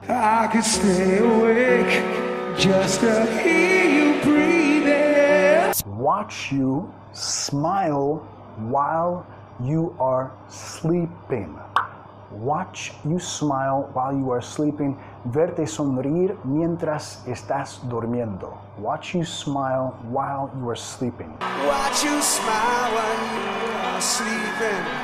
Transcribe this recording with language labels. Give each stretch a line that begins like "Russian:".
English: I could stay awake just to hear you breathing. Watch you smile while you are sleeping. Watch you smile while you are sleeping.
Spanish: Verte sonreír mientras estás durmiendo.
English: Watch you smile while you are sleeping. Watch you smile while you are sleeping.